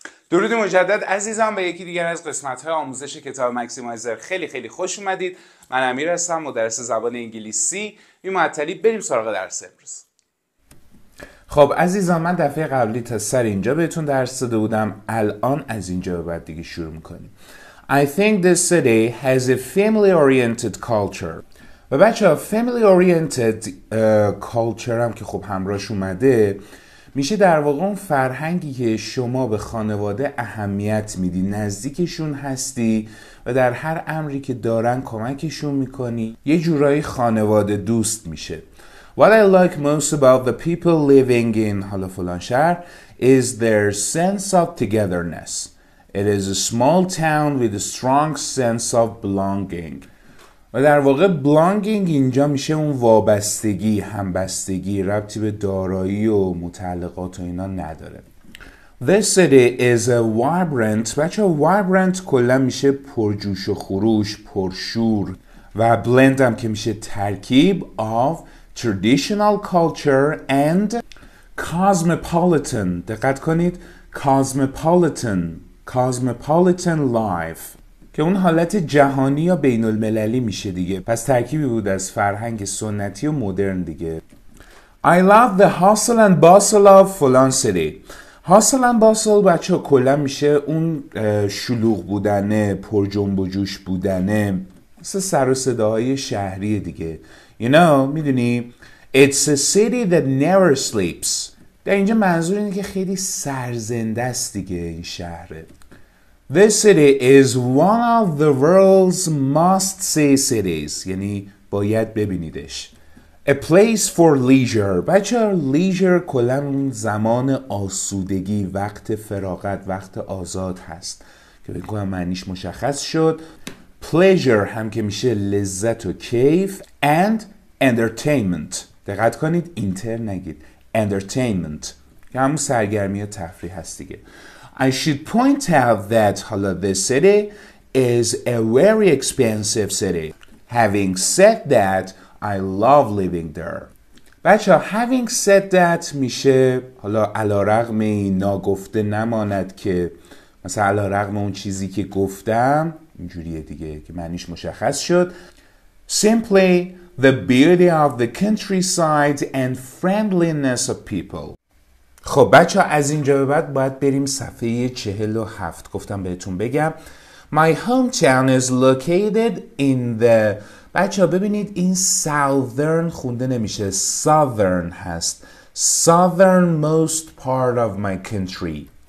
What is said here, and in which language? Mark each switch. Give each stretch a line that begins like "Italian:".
Persian: درود مجدد عزیزم به یکی دیگر از قسمت‌های آموزش کتاب مکسیمایزر. خیلی خیلی خوش اومدید. من امیر هستم، مدرس زبان انگلیسی. بی‌معطلی بریم سراغ درس امروز. خب عزیزان، من دفعه قبلی تا سر اینجا بهتون درس داده بودم، الان از اینجا به بعد دیگه شروع میکنیم.
English: I think this city has a family-oriented culture.
Persian: و بچه ها family-oriented culture هم که خب همراهش اومده، میشه در واقع اون فرهنگی که شما به خانواده اهمیت میدی، نزدیکشون هستی و در هر امری که دارن کمکشون میکنی، یه جورایی خانواده دوست میشه.
English: What I like most about the people living in
Persian: حالا فلان شهر
English: is their sense of togetherness. It is a small town with a strong sense of belonging.
Persian: و در واقع بلانگینگ اینجا میشه اون وابستگی، همبستگی، ربطی به دارایی و متعلقات و اینا نداره.
English: This city is a vibrant.
Persian: بچه vibrant کلا میشه پرجوش و خروش، پرشور، و blend هم که میشه ترکیب
English: of traditional culture and cosmopolitan.
Persian: دقت کنید، cosmopolitan، cosmopolitan life، که اون حالت جهانی یا بین المللی میشه دیگه. پس ترکیبی بود از فرهنگ سنتی و مدرن دیگه.
English: I love the hustle and bustle of فلان city. Hustle and bustle
Persian: بچه ها کلا میشه اون شلوغ بودنه، پر جنب و جوش بودنه، مثل سر و صداهای شهری دیگه.
English: You know، میدونی، It's a city that never sleeps.
Persian: در اینجا منظور اینه که خیلی سرزنده است دیگه این شهره.
English: This city is one of the world's must-see cities.
Persian: یعنی باید ببینیدش.
English: A place for leisure.
Persian: بچه ها leisure کلن زمان آسودگی، وقت فراغت، وقت آزاد هست، که بگویم معنیش مشخص شد. Pleasure هم که میشه لذت و کیف.
English: And entertainment.
Persian: دقت کنید، انتر نگید. Entertainment که همون سرگرمی و تفریح هست دیگه.
English: I should point out that حالا this city is a very expensive city. Having said that, I love living there.
Persian: بچه
English: having said that
Persian: میشه حالا علارغم ناگفته نماند که، مثلا علارغم اون چیزی که گفتم، اینجوریه دیگه که معنیش مشخص شد.
English: Simply the beauty of the countryside and friendliness of people.
Persian: خب بچه ها از اینجا به بعد باید بریم صفحه 47. گفتم بهتون بگم
English: My hometown is located in the
Persian: بچه ها ببینید این
English: southern
Persian: خونده نمیشه،
English: southern هست، southern most part of my country.